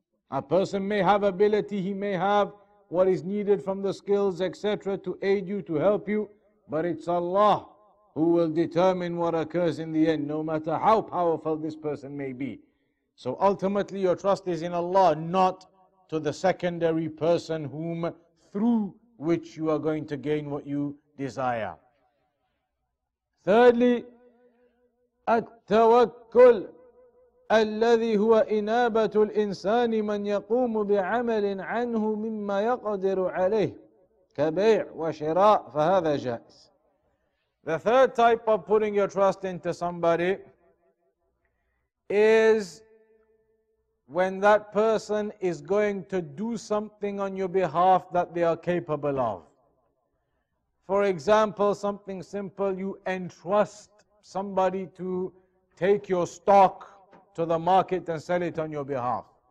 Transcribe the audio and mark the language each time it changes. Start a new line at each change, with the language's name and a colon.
English: A person may have ability, he may have what is needed from the skills, etc., to aid you, to help you, but it's Allah who will determine what occurs in the end, no matter how powerful this person may be. So ultimately your trust is in Allah, not to the secondary person whom through which you are going to gain what you desire.
Arabic: Thirdly, التوكل الذي هو إنابة الإنسان من يقوم بعمل عنه مما يقدر عليه كبيع وشراء فهذا جائز.
English: The third type of putting your trust into somebody is when that person is going to do something on your behalf that they are capable of. For example, something simple, you entrust somebody to take your stock to the market and sell it on your behalf.